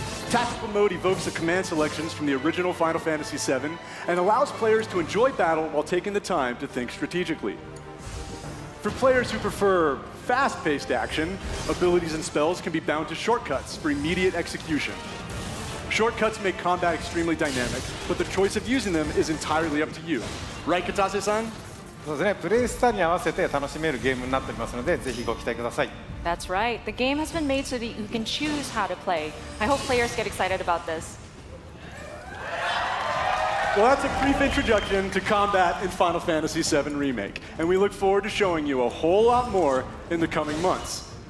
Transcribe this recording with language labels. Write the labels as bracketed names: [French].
[English] Tactical mode evokes the command selections from the original Final Fantasy VII and allows players to enjoy battle while taking the time to think strategically. For players who prefer fast-paced action, abilities and spells can be bound to shortcuts for immediate execution. Shortcuts make combat extremely dynamic, but the choice of using them is entirely up to you. Right, Katase-san? [Japanese] そうですね、プレイスタに合わせて楽しめるゲームになっていますので、ぜひご期待ください。 [English] That's right. The game has been made so that you can choose how to play. I hope players get excited about this. Well, that's a brief introduction to combat in Final Fantasy VII Remake, and we look forward to showing you a whole lot more in the coming months.